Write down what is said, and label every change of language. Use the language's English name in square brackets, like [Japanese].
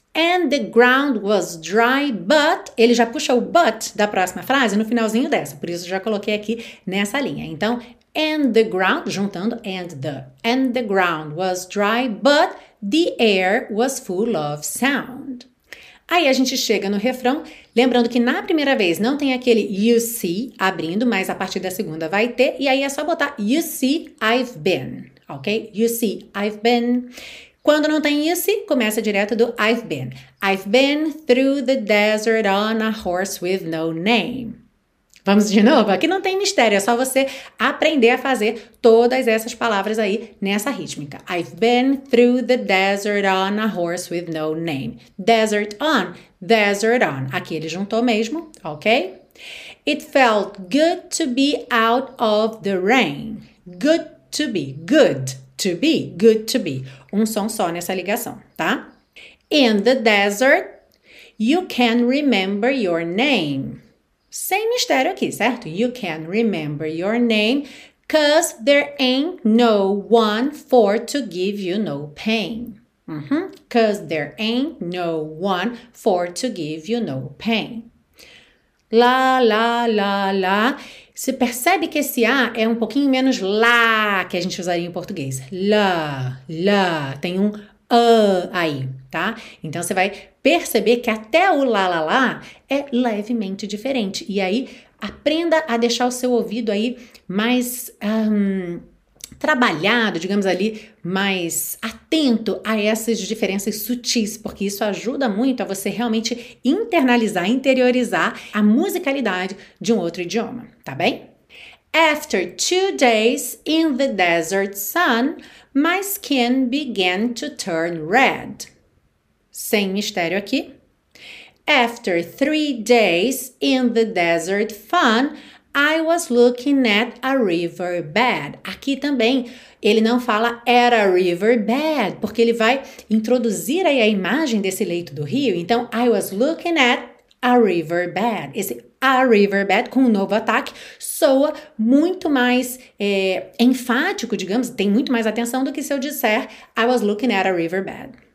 [English] And the ground was dry, but. [Portuguese] Ele já puxa o but da próxima frase no finalzinho dessa, por isso eu já coloquei aqui nessa linha. [English] Então, and the ground, juntando and the ground was dry, but the air was full of sound. [Portuguese] Aí a gente chega no refrão, lembrando que na primeira vez não tem aquele you see abrindo, mas a partir da segunda vai ter, e aí é só botar [English] you see I've been, [Portuguese] Ok? [English] You see, I've been. [Portuguese] Quando não tem esse, começa direto do I've been. [English] I've been through the desert on a horse with no name. [Portuguese] Vamos de novo? Aqui não tem mistério, é só você aprender a fazer todas essas palavras aí nessa rítmica. [English] I've been through the desert on a horse with no name. Desert on, desert on. [Portuguese] Aqui ele juntou mesmo, ok? [English] It felt good to be out of the rain. Good to be, good to be, good to be. [Portuguese] Um som só nessa ligação, tá? [English] In the desert, you can remember your name. [Portuguese] Sem mistério aqui, certo? [English] You can remember your name, 'cause there ain't no one for to give you no pain. 'Cause there ain't no one for to give you no pain. Lá, lá, lá, lá. [Portuguese] Você percebe que esse A é um pouquinho menos lá que a gente usaria em português. Lá, lá. Tem um A aí, tá? Então você vai perceber que até o lá, lá, lá é levemente diferente. E aí aprenda a deixar o seu ouvido aí mais trabalhado, digamos ali, mais atento a essas diferenças sutis, porque isso ajuda muito a você realmente internalizar, interiorizar a musicalidade de um outro idioma, tá bem? [English] After 2 days in the desert sun, my skin began to turn red. [Portuguese] Sem mistério aqui. [English] After 3 days in the desert sun, I was looking at a riverbed. [Portuguese] Aqui também ele não fala [English] at a riverbed, [Portuguese] porque ele vai introduzir aí a imagem desse leito do rio. [English] Então, I was looking at a riverbed. [Portuguese] Esse a riverbed com um novo ataque soa muito mais enfático, digamos, tem muito mais atenção do que se eu disser [English] I was looking at a riverbed.